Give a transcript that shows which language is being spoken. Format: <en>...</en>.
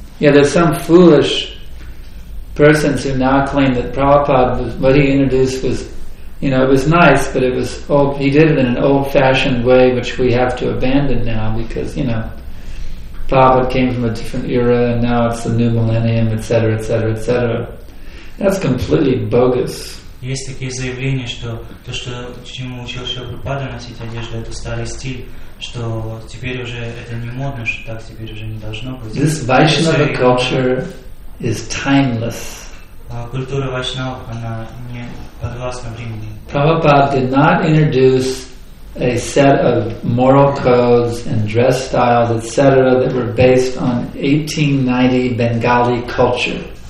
<en>There's some foolish persons who now claim that Prabhupada, what he introduced was, you know, it was nice, but it was old. He did it in an old-fashioned way, which we have to abandon now because, you know, Prabhupada came from a different era, and now it's the new millennium, etc., etc., etc. That's completely bogus.</en> <ru>Есть такие заявления, что то, что чему учил Шрила Прабхупада носить одежду, это старый стиль, что теперь уже это не модно, что так теперь уже не должно быть.</ru> <en>This Vaishnava culture is timeless.</en> <ru>Культура Вайшнава, она не подвластна времени.</ru> <en>Prabhupada did not introduce a set of moral codes and dress styles, etc., that were based on 1890 Bengali culture.</en>